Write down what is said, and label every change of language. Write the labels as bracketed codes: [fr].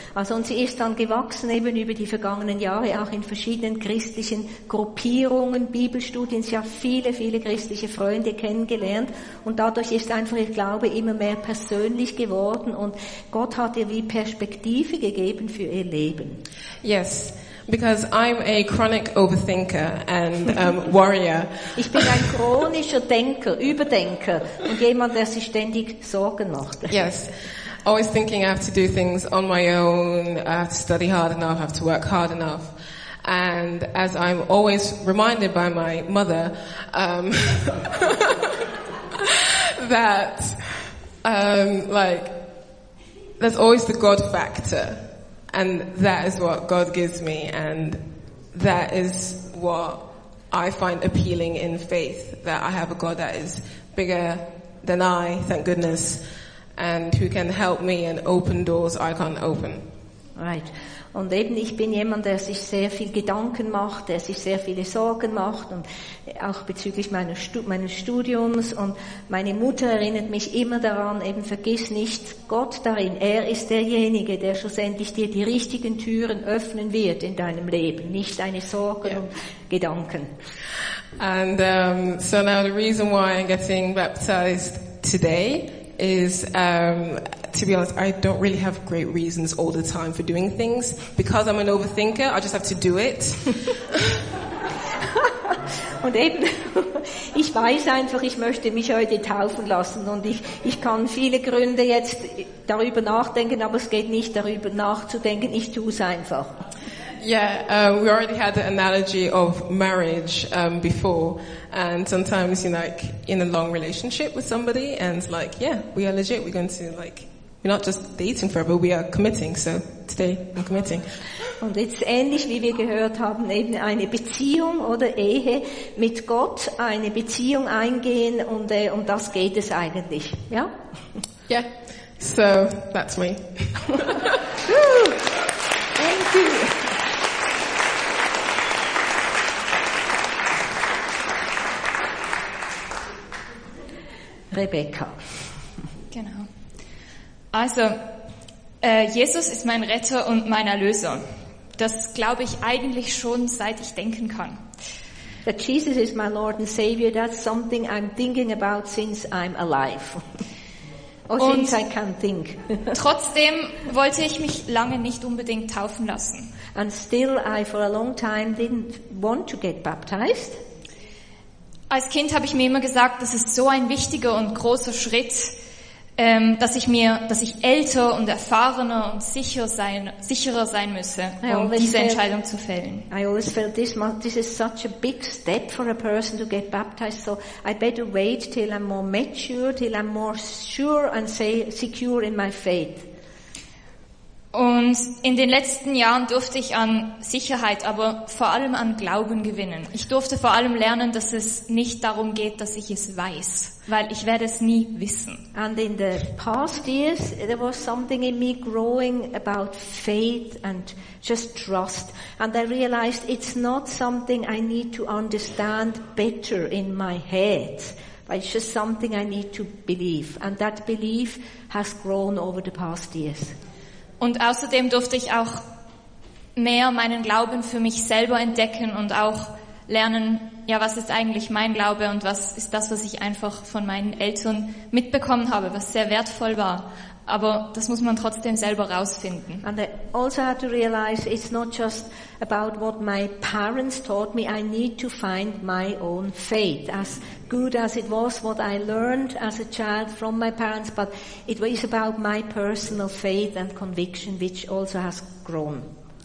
[de] Also, und sie ist dann gewachsen eben über die vergangenen Jahre, auch in verschiedenen christlichen Gruppierungen, Bibelstudien. Sie hat viele, viele christliche Freunde kennengelernt und dadurch ist einfach ihr Glaube immer mehr persönlich geworden und Gott hat ihr wie Perspektive gegeben für ihr Leben. [en] Yes, because I'm a chronic overthinker and worrier. [de] Ich bin ein chronischer Denker, Überdenker und jemand, der sich ständig Sorgen macht. [en] Yes. Always thinking I have to do things on my own, I have to study hard enough, I have to work hard enough. And as I'm always reminded by my mother, that, like, there's always the God factor. And that is what God gives me. And that is what I find appealing in faith, that I have a God that is bigger than I, thank goodness. And who can help me and open doors I can't open. Right. [de] Und eben, ich bin jemand, der sich sehr viel Gedanken macht, der sich sehr viele Sorgen macht und auch bezüglich meines Studiums. Und meine Mutter erinnert mich immer daran, eben vergiss nicht Gott darin. Er ist derjenige, der schlussendlich dir die richtigen Türen öffnen wird in deinem Leben, nicht deine Sorgen und Gedanken. [en] And so now the reason why I'm getting baptized today is, to be honest, I don't really have great reasons all the time for doing things. Because I'm an overthinker, I just have to do it. [de] Und eben, ich weiß einfach, ich möchte mich heute taufen lassen und ich kann viele Gründe jetzt darüber nachdenken, aber es geht nicht darüber nachzudenken, ich tue es einfach. [en] Yeah, we already had the analogy of marriage before, and sometimes you're like in a long relationship with somebody, and like, yeah, we are legit. We're going to like, we're not just dating forever. We are committing. So today, I'm committing. [de] Und jetzt ähnlich wie wir gehört haben, eben eine Beziehung oder Ehe mit Gott, eine Beziehung eingehen, und um das geht es eigentlich, ja? [en] Yeah. So that's me. Thank you. Rebecca. [de] Genau. Also, Jesus ist mein Retter und mein Erlöser. Das glaube ich eigentlich schon, seit ich denken kann. [en] That Jesus is my Lord and Savior, that's something I'm thinking about since I'm alive. Or since I can think. [de] Trotzdem wollte ich mich lange nicht unbedingt taufen lassen. [en] And still I for a long time didn't want to get baptized. [de] Als Kind habe ich mir immer gesagt, das ist so ein wichtiger und großer Schritt, dass ich älter und erfahrener und sicherer sein müsse, um diese Entscheidung zu fällen. [en] I always felt this is such a big step for a person to get baptized, so I better wait till I'm more mature, till I'm more sure and secure in my faith. [de] Und in den letzten Jahren durfte ich an Sicherheit, aber vor allem an Glauben gewinnen. Ich durfte vor allem lernen, dass es nicht darum geht, dass ich es weiß, weil ich werde es nie wissen. [en] And in the past years, there was something in me growing about faith and just trust. And I realized it's not something I need to understand better in my head. But it's just something I need to believe. And that belief has grown over the past years. [de] Und außerdem durfte ich auch mehr meinen Glauben für mich selber entdecken und auch lernen, ja, was ist eigentlich mein Glaube und was ist das, was ich einfach von meinen Eltern mitbekommen habe, was sehr wertvoll war. Aber das muss man trotzdem selber rausfinden. [en] And I also had to realize it's not just about what my parents taught me. I need to find my own faith. As good as it was, what I learned as a child from my parents, but it was about my personal faith and conviction, which also has grown.